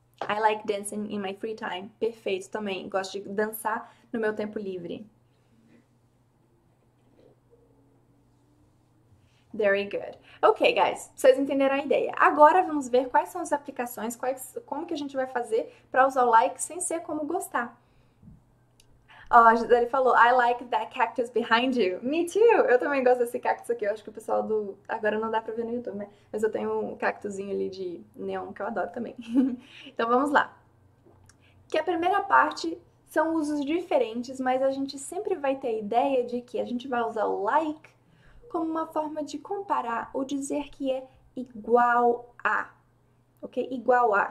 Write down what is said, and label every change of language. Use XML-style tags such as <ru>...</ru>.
<en>I like dancing in my free time.</en> <pt>Perfeito também. Gosto de dançar no meu tempo livre.</pt> <en>Very good.</en> <pt>Ok, guys, vocês entenderam a ideia. Agora vamos ver quais são as aplicações, como que a gente vai fazer para usar o like sem ser como gostar. Ó, ele falou,</pt> <en>I like that cactus behind you. Me too!</en> <pt>Eu também gosto desse cactus aqui. Eu acho que o pessoal do. Agora não dá pra ver no YouTube, né? Mas eu tenho um cactuzinho ali de neon que eu adoro também. Então vamos lá. Que a primeira parte são usos diferentes, mas a gente sempre vai ter a ideia de que a gente vai usar o like como uma forma de comparar ou dizer que é igual a. Ok? Igual a.</pt>